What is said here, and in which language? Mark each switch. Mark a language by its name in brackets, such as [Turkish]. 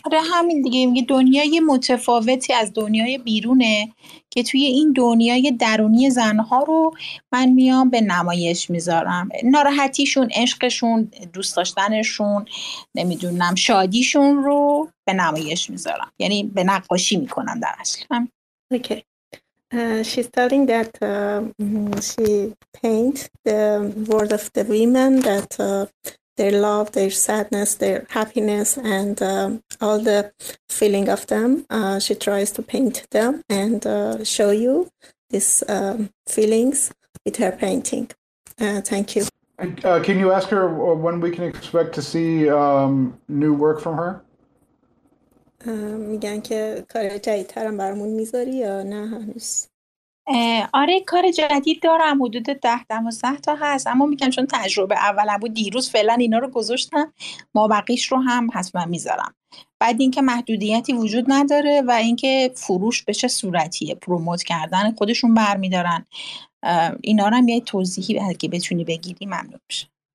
[Persian] آره همین دیگه، میگه دنیای متفاوتی از دنیای بیرونه که توی این دنیای درونی زنها رو من میام به نمایش میذارم، ناراحتیشون، عشقشون، دوست داشتنشون، نمیدونم شادیشون رو به نمایش میذارم، یعنی به نقاشی میکنم در اصل. اوکی. [English] She's telling that she paints the world of the women, that their love, their sadness, their happiness, and all the feeling of them. She tries to paint them and show you these feelings with her painting. Thank you. Can you ask her when we can expect to see new work from her? [Persian] میگن که کار جدیدترم برامون میذاری یا نه هنوز؟ آره کار جدید دارم، حدود 10-12 تا هست، اما میگم چون تجربه اول بود دیروز فعلا اینا رو گذاشتم، ما بقیش رو هم حتما میذارم. بعد اینکه محدودیتی وجود نداره و اینکه فروش به چه صورتیه، پروموت کردن خودشون برمیدارن، اینا رو هم یه توضیحی اگه بتونی بگیری ممنون بشه.